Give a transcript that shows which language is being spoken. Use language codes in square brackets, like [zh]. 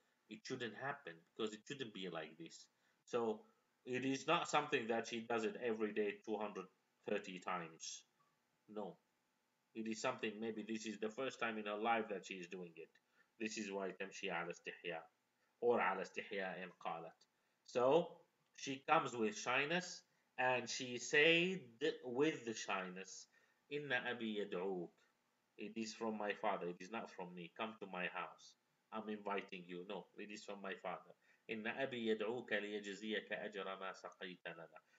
[en] it shouldn't happen, because it shouldn't be like this. So it is not something that she does it every day 230 times. No. It is something, maybe this is the first time in her life that she is doing it. This is why [ar] تمشي على استحياء. Or على استحياء إن قالت. [en] So she comes with shyness, and she said with the shyness, [ar] إِنَّ أَبِي يَدْعُوكَ. [en] It is from my father. It is not from me. Come to my house. I'm inviting you. No, it is from my father. [ar] إِنَّ أَبِي يَدْعُوكَ لِيَجْزِيَكَ أَجْرَ مَا سَقَيْتَ لَنَا.